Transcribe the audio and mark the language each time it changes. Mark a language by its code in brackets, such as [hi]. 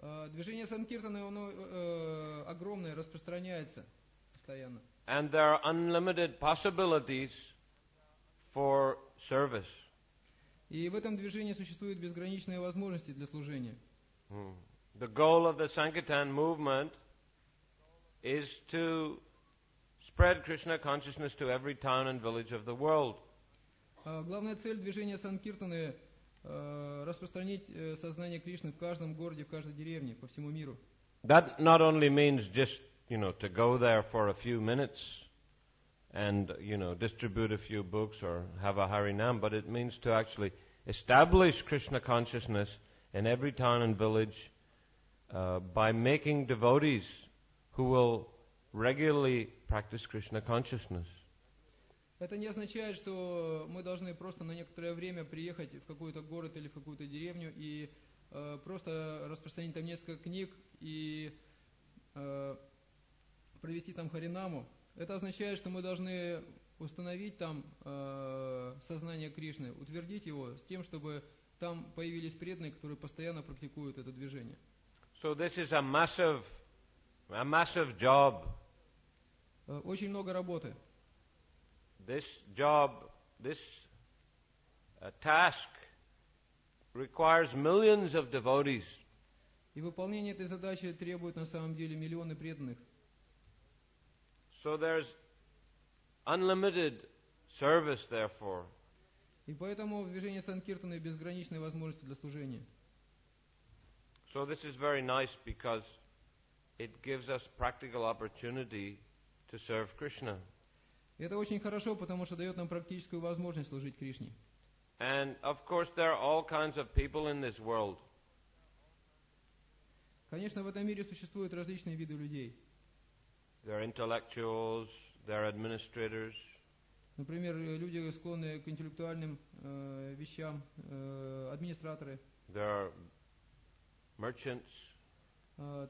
[ru] Движение Санкиртаны, оно огромное, распространяется постоянно. [en] And there are unlimited possibilities for service. [ru] И в этом движении существуют безграничные возможности для служения. [en] The goal of the Sankirtan movement is to spread Krishna consciousness to every town and village of the world. [ru] Главная цель движения Санкиртаны распространить сознание Кришны в каждом городе, в каждой деревне, по всему миру. [en] That not only means just you know, to go there for a few minutes and, you know, distribute a few books or have a Harinam, but it means to actually establish Krishna consciousness in every town and village by making devotees who will regularly practice Krishna consciousness. [ru] Это не означает, что мы должны просто на некоторое время приехать в какой-то город или в какую-то деревню и просто распространить там несколько книг и провести там харинаму. Это означает, что мы должны установить там сознание Кришны, утвердить его с тем, чтобы там появились преданные, которые постоянно практикуют это движение. [en] So this is a massive job. [ru] Очень много работы. [en] This job, this task requires millions of devotees. [ru] И выполнение этой задачи требует на самом деле миллионы преданных. [en] So there's unlimited service, therefore. [ru] И поэтому в движении Санкиртаны безграничные возможности для служения. [en] So this is very nice because it gives us practical opportunity to serve Krishna. [ru] Это очень хорошо, потому что дает нам практическую возможность служить Кришне. [en] And of course there are all kinds of people in this world. [ru] Конечно, в этом мире существуют различные виды людей. [en] They're intellectuals, they're administrators. [ru] Например, люди склонны к интеллектуальным вещам, администраторы. [en] There are merchants.